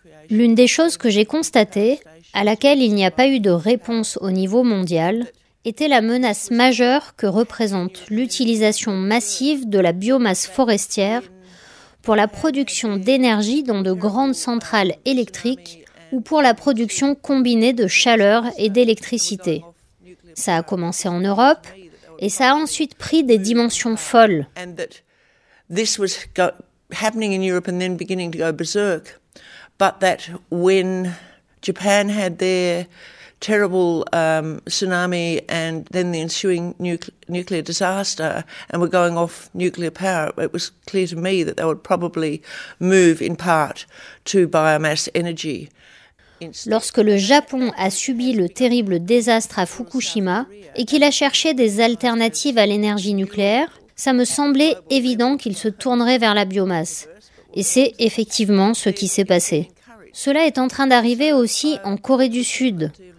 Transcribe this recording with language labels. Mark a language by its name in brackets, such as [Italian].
[French] L'une des choses que j'ai constatées, à laquelle il n'y a pas eu de réponse au niveau mondial, était la menace majeure que représente l'utilisation massive de la biomasse forestière pour la production d'énergie dans de grandes centrales électriques ou pour la production combinée de chaleur et d'électricité. Ça a commencé en Europe et ça a ensuite pris des dimensions folles. [English] Happening in Europe and then beginning to go berserk, but that when Japan had their terrible tsunami and then the ensuing nuclear disaster and were going off nuclear power, it was clear to me that they would probably move in part to biomass energy. [French] Lorsque le Japon a subi le terrible désastre à Fukushima et qu'il a cherché des alternatives à l'énergie nucléaire, ça me semblait évident qu'ils se tourneraient vers la biomasse. Et c'est effectivement ce qui s'est passé. Cela est en train d'arriver aussi en Corée du Sud.